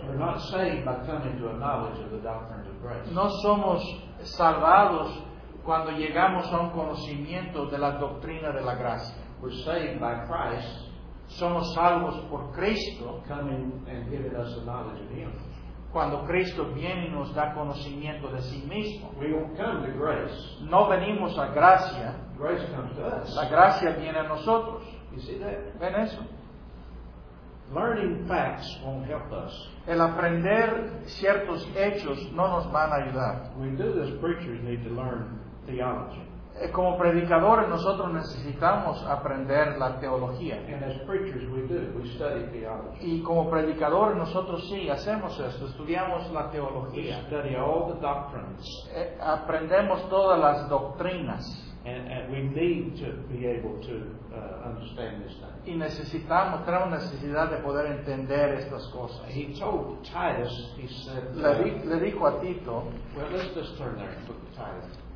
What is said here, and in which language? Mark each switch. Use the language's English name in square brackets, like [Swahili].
[English] We're not saved by coming to a knowledge of the doctrine of grace. [Spanish] No somos salvados cuando llegamos a un conocimiento de la doctrina de la gracia. [English] We're saved by Christ. [Spanish] Somos salvos por Cristo [English] coming and giving us a knowledge of Him. [Spanish] Cuando Cristo viene y nos da conocimiento de sí mismo. [English] We don't come to grace. [Spanish] No venimos a gracia. [English] Grace comes to us. [Spanish] La gracia viene a nosotros. [English] You see that? [Spanish] ¿Ven eso? [English] Learning facts won't help us. [Spanish] El aprender ciertos hechos no nos van a ayudar. [English] We do this, preachers need to learn theology. [Spanish] Como predicadores nosotros necesitamos aprender la teología. [English] And as preachers, we do. We study theology. [Spanish] Y como predicadores nosotros sí hacemos esto, estudiamos la teología. [English] We study all the doctrines. [Spanish] Aprendemos todas las doctrinas. [English] And we need to be able to understand this thing. [Spanish] Y necesitamos, tenemos necesidad de poder entender estas cosas. [English] He told Titus, he said, [Spanish] le dijo a Tito, [English] well, let's just turn there and look at Titus.